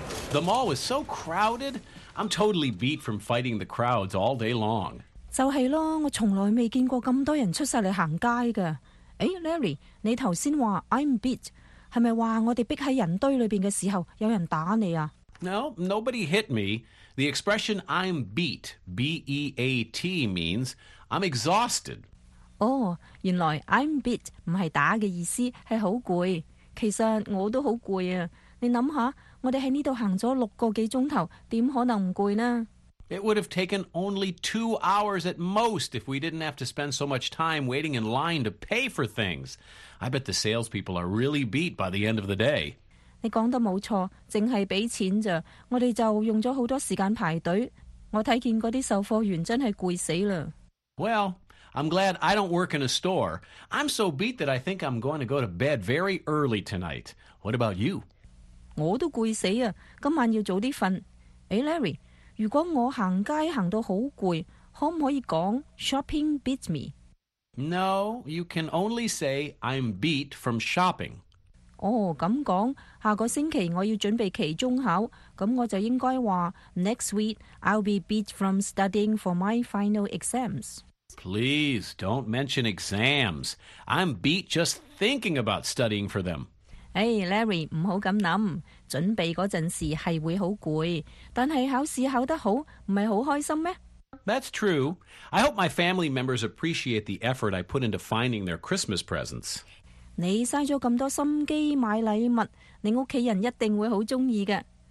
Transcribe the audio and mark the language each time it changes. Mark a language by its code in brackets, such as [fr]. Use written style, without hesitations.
[en] The mall was so crowded, I'm totally beat from fighting the crowds all day long. [yue] 就是咯，我从来未见过咁多人出晒嚟行街的。诶 ，Larry， 你头先话 [en] I'm beat， [yue] 系咪话我哋逼喺人堆里边嘅时候有人打你啊 [en] ？No, nobody hit me. The expression I'm beat, B-E-A-T, means I'm exhausted. [yue] 哦，原来 [en] I'm beat [yue] 唔系打嘅意思，系好攰。其实我都好攰啊。你谂下，我哋喺呢度行咗六个几钟头，点可能唔攰呢 [en] ？It would have taken only 2 hours at most if we didn't have to spend so much time waiting in line to pay for things. I bet the salespeople are really beat by the end of the day. [yue] 你讲得冇错，净系俾钱咋，我哋就用咗好多时间排队。我睇见嗰啲售货员真系攰死啦。 [en] Well. I'm glad I don't work in a store. I'm so beat that I think I'm going to go to bed very early tonight. What about you? [yue] 我都攰死啊，今晚要早啲瞓。诶 ，Larry， 如果我行街行到好攰，可唔可以讲 [en] shopping beat me? No, you can only say I'm beat from shopping. [yue] 哦，咁讲，下个星期我要准备期中考，咁我就应该话 [en] next week I'll be beat from studying for my final exams. Please, don't mention exams. I'm beat just thinking about studying for them. [yue] Hey, Larry, 唔好咁諗。準備嗰陣時係會好攰，但係考試考得好，唔係好開心咩？ [en] That's true. I hope my family members appreciate the effort I put into finding their Christmas presents. [yue] 你嘥咗咁多心機買禮物，你屋企人一定會好鍾意嘅。